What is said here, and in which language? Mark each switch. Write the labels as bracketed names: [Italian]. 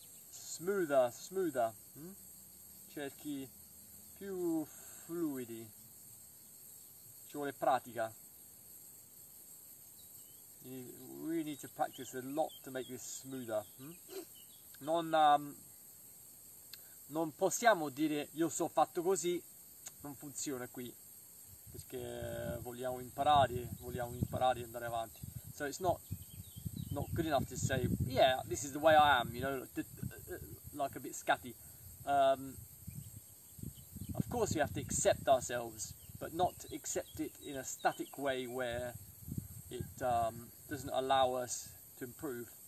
[English] Smoother. [Italian] Cerchi più fluidi. Ci vuole pratica. [English] We need to practice a lot to make this smoother. [Italian] Non possiamo dire io so fatto così, non funziona qui, perché vogliamo imparare e andare avanti. [English] So it's not good enough to say yeah, this is the way I am, you know, like a bit scatty. Of course we have to accept ourselves, but not accept it in a static way where it doesn't allow us to improve.